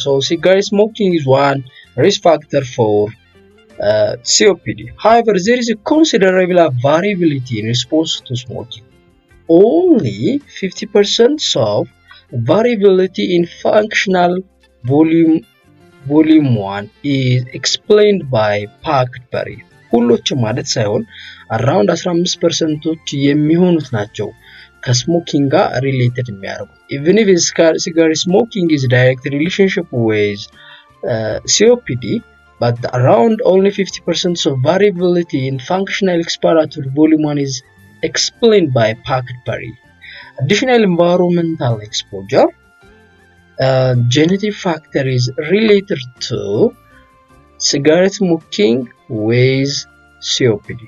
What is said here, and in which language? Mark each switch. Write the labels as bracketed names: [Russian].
[English] So cigarette smoking is one risk factor for COPD. However, there is a considerable variability in response to smoking. Only 50% of variability in functional volume 1 is explained by packed barrier. [Amharic] ሁሉች ማለት ሳይሆን [English] around 15% [Amharic] የሚሆኑት ናቸው ከስሞኪንግ ጋር related የሚያርጉ. [English] Even if cigarette smoking is direct relationship with COPD, but around only 50% of variability in functional expiratory volume 1 is explained by packed barrier. Additional environmental exposure, genetic factor is related to cigarette smoking with COPD.